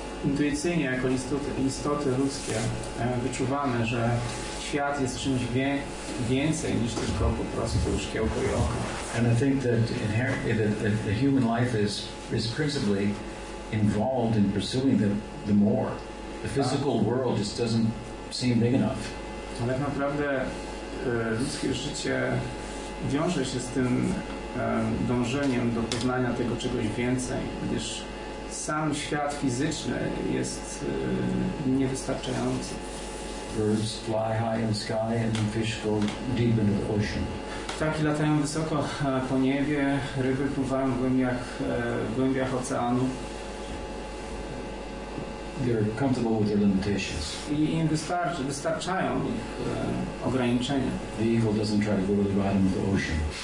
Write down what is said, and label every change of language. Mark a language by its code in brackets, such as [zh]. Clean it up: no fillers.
[pl] Intuicyjnie, jako istoty ludzkie, wyczuwamy, że świat jest czymś więcej niż tylko po prostu szkiełko i oko. [en] And I think that the human life is principally involved in pursuing the more. The physical world just doesn't seem big enough. [pl] Ale tak naprawdę ludzkie życie wiąże się z tym dążeniem do poznania tego czegoś więcej, gdyż sam świat fizyczny jest niewystarczający. [en] Birds fly high in the sky and fish go deep into the ocean. [pl] Ptaki latają wysoko po niebie, ryby pływają w głębiach oceanu. [en] They're comfortable with their limitations. [pl] I im wystarczają ich ograniczenia. [en] The ego doesn't try to go to the bottom of the ocean.